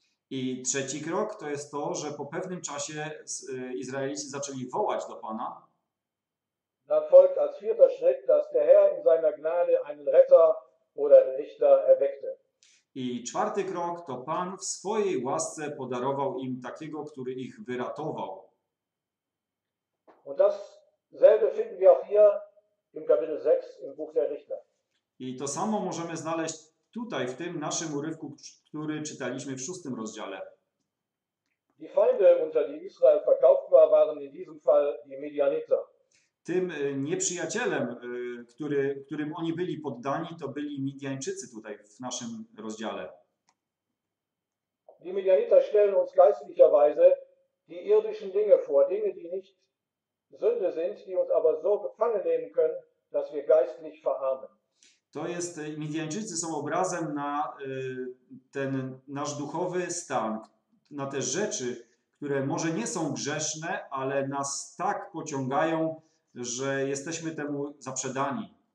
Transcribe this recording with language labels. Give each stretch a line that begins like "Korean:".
Polish: I trzeci krok to jest to, że po pewnym czasie Izraelici zaczęli wołać do Pana.
German: Dann folgt als vierter Schritt, dass der Herr in seiner Gnade einen Retter oder Richter erweckte.
Polish: I czwarty krok to Pan w swojej łasce podarował im takiego, który ich wyratował.
German: Und dasselbe finden wir auch hier im Kapitel 6 im Buch der Richter.
Polish: I to samo możemy znaleźć tutaj, w tym naszym urywku, który czytaliśmy w 6 rozdziale.
German: Die Feinde, unter die Israel verkauft war, waren in diesem Fall die Midianiter.
Polish: Tym nieprzyjacielem, którym oni byli poddani, to byli Midiańczycy tutaj w naszym rozdziale.
German: Die Midianiter stellen uns geistlicherweise die irdischen Dinge vor, Dinge, die nicht Sünde sind, die uns aber so gefangen nehmen können, dass wir geistlich verarmen.
Polish: To jest, Midianczycy są obrazem na ten nasz duchowy stan, na te rzeczy, które może nie są grzeszne, ale nas tak pociągają, że jesteśmy temu zaprzedani.